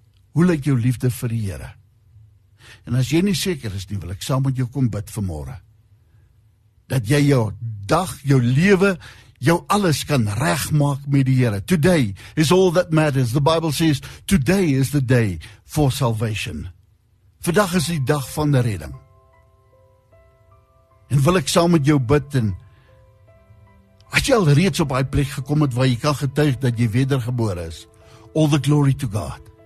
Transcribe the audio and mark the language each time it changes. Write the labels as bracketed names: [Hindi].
[Afrikaans] Hoe lyk jou liefde vir die Here? En as jy nie seker is nie, wil ek saam met jou kom bid vanmôre. Dat jy jou dag, jou lewe, jou alles kan regmaak met die Here. [English] Today is all that matters. The Bible says, today is the day for salvation. [Afrikaans] Vandag is die dag van de redding. En wil ek saam met jou bid en as jy al reeds op hy plek gekom het waar jy kan getuig dat jy wedergebore is, [English] all the glory to God.